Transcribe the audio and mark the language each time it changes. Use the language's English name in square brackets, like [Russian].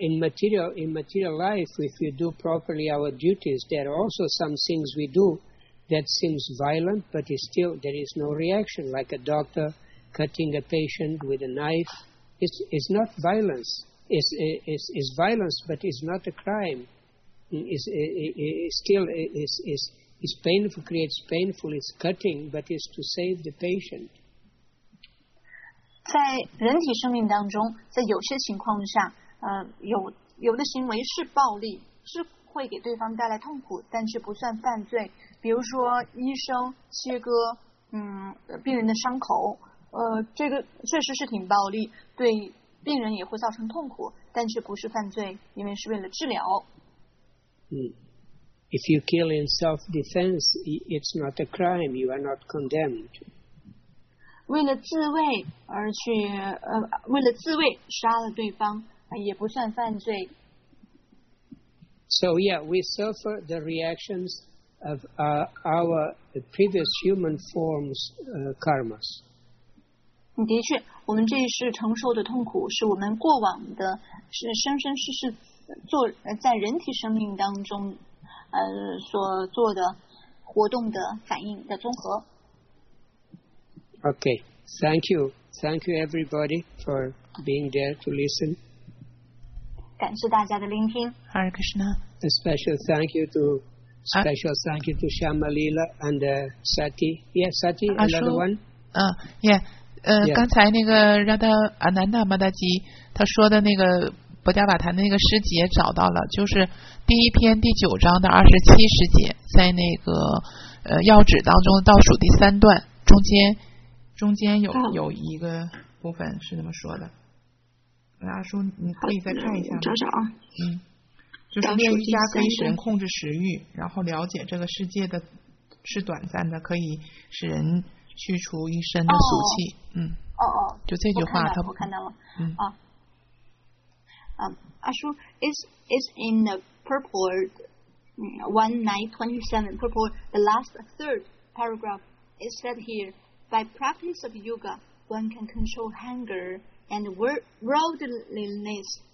[English] In material life, if we do properly our duties, there are also some things we do that seems violent, but still there is no reaction, like a doctor cutting a patient with a knife. It's not violence. It's violence, but it's not a crime. It's painful, creates painful, it's cutting, but it's to save the patient. [Chinese] 在人体生命当中，在有些情况下，有的行为是暴力，是会给对方带来痛苦，但是不算犯罪。比如说，医生切割病人的伤口，这个确实是挺暴力，对病人也会造成痛苦，但是不是犯罪，因为是为了治疗。 [English] If you kill in self-defense, it's not a crime. You are not condemned. [Chinese] 为了自卫而去为了自卫杀了对方也不算犯罪。 [English] So yeah, we suffer the reactions of our previous human forms karmas. [Chinese] 的确，我们这一世承受的痛苦是我们过往的，是生生世世做在人体生命当中所做的活动的反应的综合。 [English] Okay, thank you. Thank you everybody for being there to listen. [Chinese] 感谢大家的聆听。 [English] Hare Krishna. A special thank you to Shyamalila and Sati. Yeah, Sati, another one. [Chinese] Yeah. 刚才那个Radha Ananda Madaji, 他说的那个博迦瓦坛那个诗节找到了，就是第一篇第九章的27诗节，在那个药旨当中倒数第三段中间。中间有一个部分是那么说的，阿叔你可以再看一下吗？找找啊。就是练瑜伽可以使人控制食欲，然后了解这个世界的是短暂的，可以使人去除一身的俗气。就这句话我看到了。 [English] 阿叔 is in the purport 1927 purport the last third paragraph is said here. By practice of yoga, one can control hunger and worldliness.